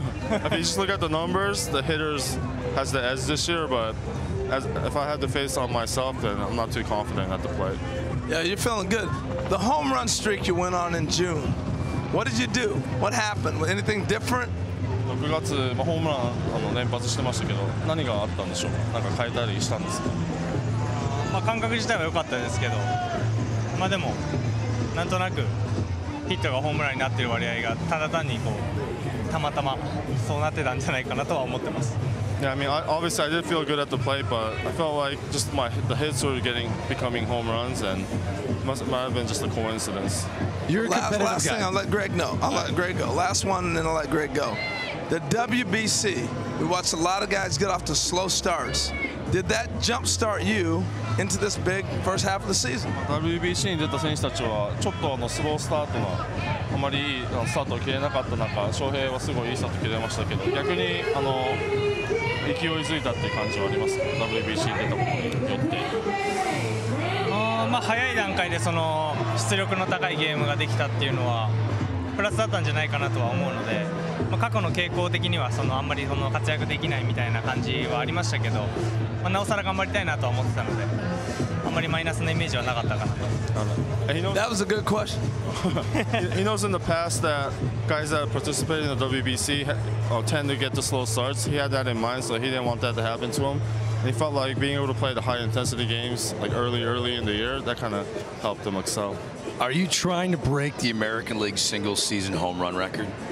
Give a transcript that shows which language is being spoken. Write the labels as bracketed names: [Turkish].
[English] If you just look at the numbers, the hitters has the edge this year, but if I had to face on myself, then I'm not too confident at the plate. Yeah, you're feeling good. The home run streak you went on in June, what did you do? What happened? Anything different? [Japanese] 6月ホームラン連発してましたけど、何があったんでしょうか？なんか変えたりしたんですか？まあ感覚自体は良かったですけど、まあでもなんとなく。ヒットがホームランになっている割合がただ単にこうたまたまそうなってたんじゃないかなとは思ってます。 [English] Yeah, I mean, obviously I did feel good at the plate, but I felt like just the hits were becoming home runs, and might have been just a coincidence. You're a competitive guy. Last thing, I'll let Greg know. I'll let Greg go. Last one, and then I'll let Greg go. The WBC, we watched a lot of guys get off to slow starts. Did that jumpstart you into this big first half of the season? [Japanese] WBC に出た選手たちはちょっとスロースタートがあまりいいスタートを切れなかった中、翔平はすごいいいスタート切れましたけど、逆に勢いづいたっていう感じはあります。 WBC に出たことによって。まあ早い段階でその出力の高いゲームができたっていうのはプラスだったんじゃないかなとは思うので。まあ、過去の傾向的にはあんまり活躍できないみたいな感じはありましたけど、まあ、なおさら頑張りたいなとは思ってたので、あんまりマイナスのイメージはなかったかなと。 [English] That was a good question. He knows in the past that guys that participate in the WBC tend to get the slow starts. He had that in mind, so he didn't want that to happen to him. And he felt like being able to play the high intensity games like early in the year, that kind of helped him excel. Are you trying to break the American League single season home run record?